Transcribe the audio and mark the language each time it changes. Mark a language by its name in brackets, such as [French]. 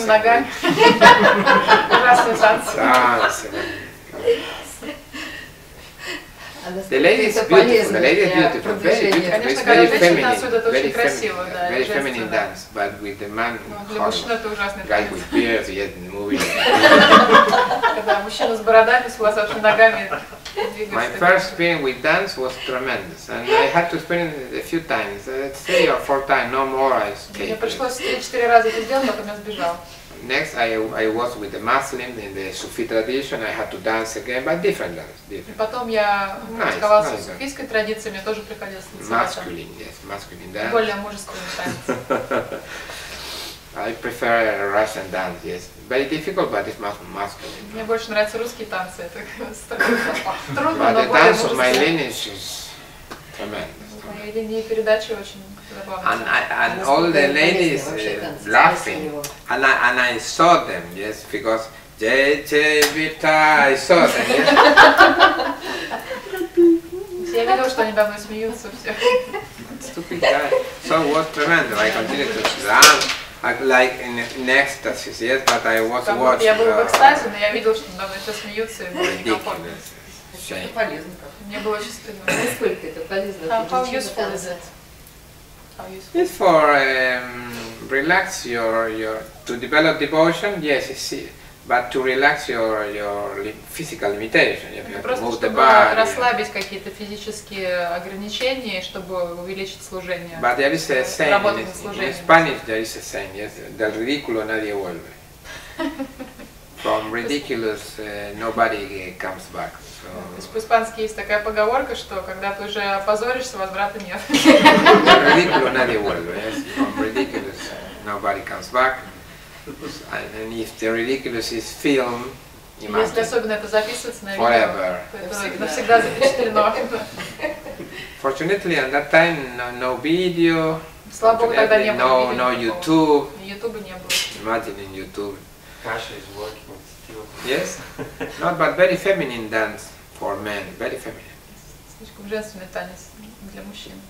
[Russian] С волосатыми ногами. Ужасный танцы. Танцы. [English] The lady is beautiful. The lady is beautiful. Very beautiful. It's very feminine. Very feminine. Very feminine dance. But with the man, guy with beard, yet in the movie. [Russian] Когда мужчина с бородами, с волосатыми ногами. [English] My first experience with dance was tremendous, and I had to experience it a few times. Three or four times, no more. I escaped. [Russian] Мне пришлось 3-4 раза это сделать, потом я сбежал. [English] Next, I was with the Muslim in the Sufi tradition. I had to dance again, but different dance. Different. [Russian] Потом я практиковался в суфийской традиции, мне тоже приходилось танцевать. [English] Masculine, yes, masculine dance. [Russian] Более мужественный танец. [English] I prefer Russian dance, yes, very difficult, but it's masculine. [Russian] Мне больше нравятся русские танцы, это трудно, но более мужественный. [English] But the dance of my lineage is tremendous. [Russian] Мои линии передачи очень. [English] And all the ladies laughing, and I saw them, yes, because Jai Jai Vita, I saw them, yes. Stupid guy. So it was tremendous. I continued to dance, like in ecstasy, yes, but I was watching. [Russian] Я был в экстазе, но я видел, что давно все смеются, и было некомфортно. Полезно. Мне было очень стыдно. Насколько это полезно? [English] How useful is it? It's for relax your to develop devotion, yes, it's but to relax your physical limitation. You have to move the body. [Russian] Просто расслабить какие-то физические ограничения, чтобы увеличить служение. [English] But there is a saying in Spanish. There is a saying, yes, [Spanish] del ridículo nadie vuelve. [English] From ridiculous nobody comes back. [Russian] То есть по-испански есть такая поговорка, что когда ты уже опозоришься, возврата нет. [English] Ridiculous, nobody comes back. Yes, nobody comes back. And if the ridiculous is film, imagine. [Russian] Если особенно это записывается на видео, [English] forever. [Russian] Это навсегда запечатлено. [English] Fortunately, at that time, no video. [Russian] Слава богу, тогда не было. [English] No YouTube. [Russian] YouTube не было. [English] Imagine in YouTube. Kasha is working. Yes, not but very feminine dance for men, very feminine. [Russian] Слишком женственный танец для мужчин.